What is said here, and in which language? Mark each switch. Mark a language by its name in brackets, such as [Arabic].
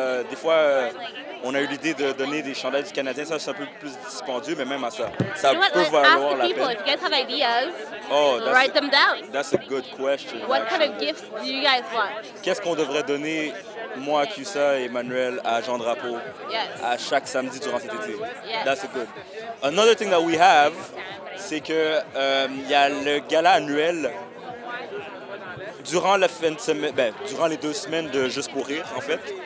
[French] Des fois, on a eu l'idée de donner des chandails du Canadien. Ça, c'est un peu plus dispendieux, mais même à ça. Ça you peut valoir la peine. [English] Ask people, if you guys have ideas, write them down. That's a good question. What kind of gifts do you guys want? [French] Qu'est-ce qu'on devrait donner, moi, Cusa et Emmanuel, à Jean-Drapeau, à chaque samedi durant cet été? [English] That's good. Another thing that we have, [French] c'est que y a le gala annuel durant la fin de semaine, ben, durant les deux semaines de Juste Pour Rire, en fait.